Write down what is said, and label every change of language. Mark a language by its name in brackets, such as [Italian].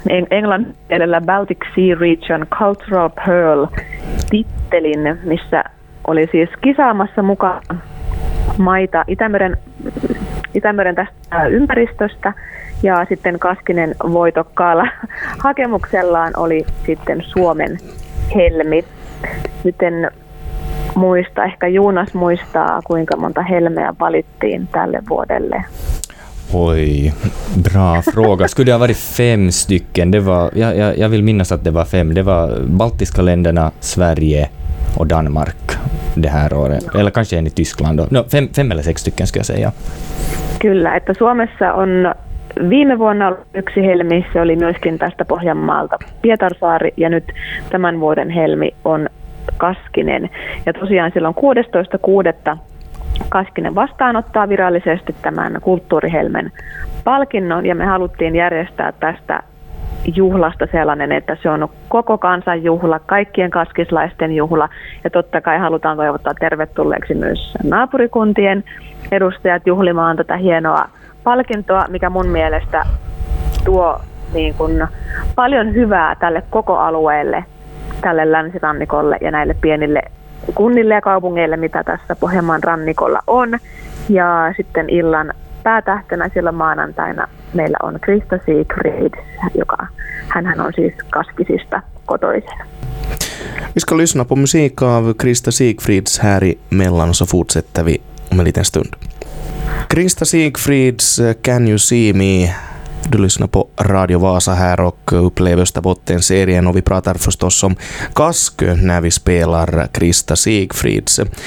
[Finnish] englanninkielellä Baltic Sea Region Cultural Pearl-tittelin, missä oli siis kisaamassa mukaan maita Itämeren tästä ympäristöstä, ja sitten Kaskinen voitokkaalla hakemuksellaan oli sitten Suomen helmi. Nyt en muista, ehkä Juunas muistaa, kuinka monta helmeä valittiin tälle vuodelle. [Swedish] Oj, bra fråga. Skulle det ha varit 5 stycken? Det var, jag vill minnas att det var 5. Det var baltiska länderna, Sverige och Danmark det här året. Eller kanske en i Tyskland. No, 5 eller 6 stycken skulle jag säga. [Finnish] Kyllä, että Suomessa on viime vuonna ollut yksi helmi. Se oli myöskin tästä Pohjanmaalta Pietarsaari. Ja nyt tämän vuoden helmi on Kaskinen. Ja tosiaan silloin 16.6. Kaskinen vastaanottaa virallisesti tämän kulttuurihelmen palkinnon, ja me haluttiin järjestää tästä juhlasta sellainen, että se on koko kansan juhla, kaikkien kaskislaisten juhla, ja totta kai halutaan toivottaa tervetulleeksi myös naapurikuntien edustajat juhlimaan tätä hienoa palkintoa, mikä mun mielestä tuo niin kuin paljon hyvää tälle koko alueelle, tälle länsirannikolle ja näille pienille kunnille ja kaupungeille, mitä tässä Pohjanmaan rannikolla on. Ja sitten illan päätähtenä silloin maanantaina meillä on Krista Siegfried, joka hänhän on siis Kaskisista kotoisin. [Swedish] Vi ska lyssna på musik av Krista Siegfrieds här i mellan, så fortsätter vi om en liten stund. Krista Siegfrieds Can You See Me? Du lyssnar på Radio Vasa här och upplever Österbotten-serien, och vi pratar förstås om Kask när vi spelar Krista Siegfrieds.